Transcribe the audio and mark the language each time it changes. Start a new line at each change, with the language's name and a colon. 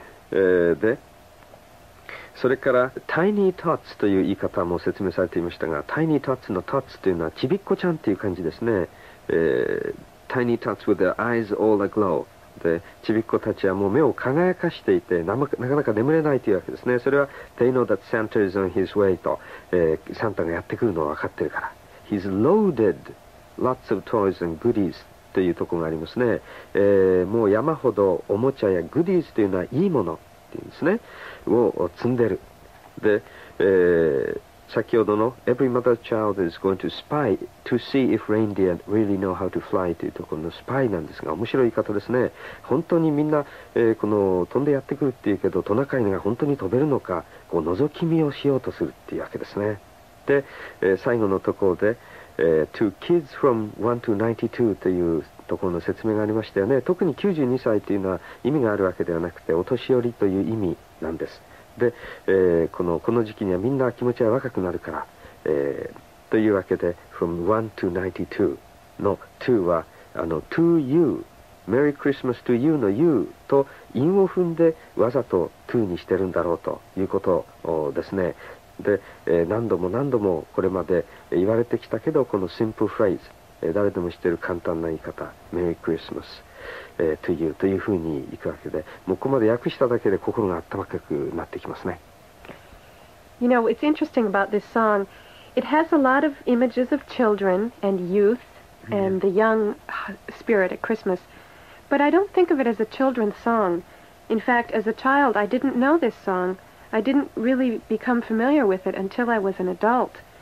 Japanese: でそれから Tiny Tots という言い方も説明されていましたが、 Tiny Tots の Tots というのはちびっこちゃんという感じですね。
English: Tiny Tots with their eyes all aglow
Japanese: で、ちびっこたちはもう目を輝かしていて、なかなか眠れないというわけですね。それは
English: They know that Santa is on his way
Japanese: と、サンタがやってくるのを分かってるから。
English: He's loaded lots of toys and goodies
Japanese: というところがありますね。もう山ほどおもちゃやグディーズというのはいいものって言うんですね、を積んでる。で、先ほどの
English: Every mother's child is going to spy to see if reindeer really know how to fly
Japanese: というところのスパイなんですが、面白い言い方ですね。本当にみんな、この飛んでやってくるっていうけど、トナカイが本当に飛べるのか、こう覗き見をしようとするっていうわけですね。で、最後のところで、
English: To kids from 1 to 92
Japanese: というところの説明がありましたよね。特に92歳というのは意味があるわけではなくて、お年寄りという意味なんです。で、この時期にはみんな気持ちは若くなるから、というわけで
English: From 1 to 92
Japanese: の To はあの
English: To you Merry Christmas to you
Japanese: の You と韻を踏んでわざと To にしてるんだろうということですね。で、何度も何度もこれまで言われてきたけど、このシンプルフレーズ、誰でも知っている簡単な言い方、メリークリスマス、というふうにいくわけで、もうここまで訳しただけで心が温かくなってきますね。
English: You know, it's interesting about this song. It has a lot of images of children and youth and the young spirit at Christmas. But I don't think of it as a children's song. In fact, as a child, I didn't know this song. I didn't really become familiar with it until I was an adult.